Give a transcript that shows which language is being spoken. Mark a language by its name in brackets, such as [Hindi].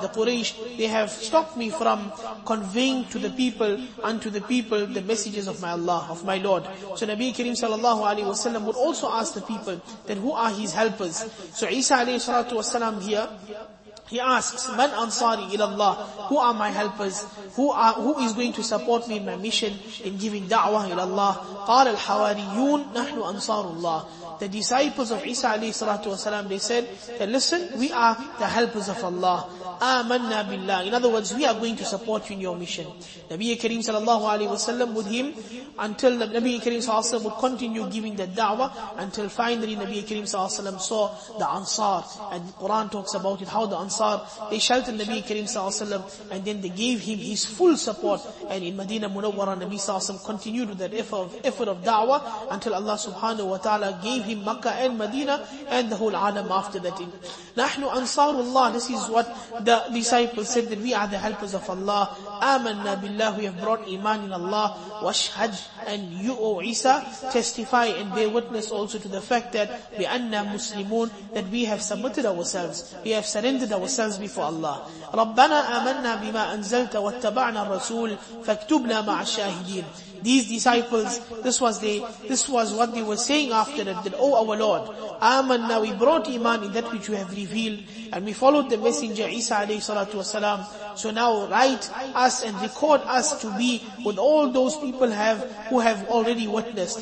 [English] The Quraysh, they have stopped me from conveying to the people and to the people the messages of my Allah, of my Lord. So Nabi Kareem sallallahu alayhi wa sallam would also ask the people that who are his helpers. So Isa alayhi salatu wa sallam here, he asks, [Arabic] Man ansari ila Allah? [English] Who are my helpers? Who is going to support me in my mission in giving da'wah ila Allah? [Arabic] قال الحواريون نحن أنصار الله. [English] The disciples of Isa alayhi salatu wasalam, they said that, listen, we are the helpers of Allah. [Arabic] آمنا بالله. [English] In other words, we are going to support you in your mission. Nabi Kareem sallallahu alayhi wasallam with him until Nabi Kareem sallallahu alayhi wasallam would continue giving the da'wah until finally Nabi Kareem sallallahu alayhi wasallam saw the Ansar. And the Quran talks about it, how the Ansar, they sheltered Nabi Kareem sallallahu alayhi wasallam and then they gave him his full support. And in Medina Munawwara, Nabi sallallahu alayhi wasallam continued with that effort of da'wah until Allah subhanahu wa ta'ala gave him Makkah and Medina and the whole alam after that. [Arabic] نحن أنصار الله. [English] This is what the disciples said, that we are the helpers of Allah. [Arabic] آمنا بالله, [English] we have brought iman in Allah. [Arabic] واشهد, [English] and you, O Isa, testify and bear witness also to the fact that [Arabic] بأننا مسلمون, [English] that we have submitted ourselves, we have surrendered ourselves before Allah. [Arabic] ربنا آمنا بما أنزلت واتبعنا الرسول فاكتبنا مع الشاهدين. [English] These disciples, this was what they were saying after that, O our Lord, Amanna, we brought iman in that which you have revealed, and we followed the messenger Isa alayhi salatu wasalam. So now write us and record us to be with all those people who have already witnessed.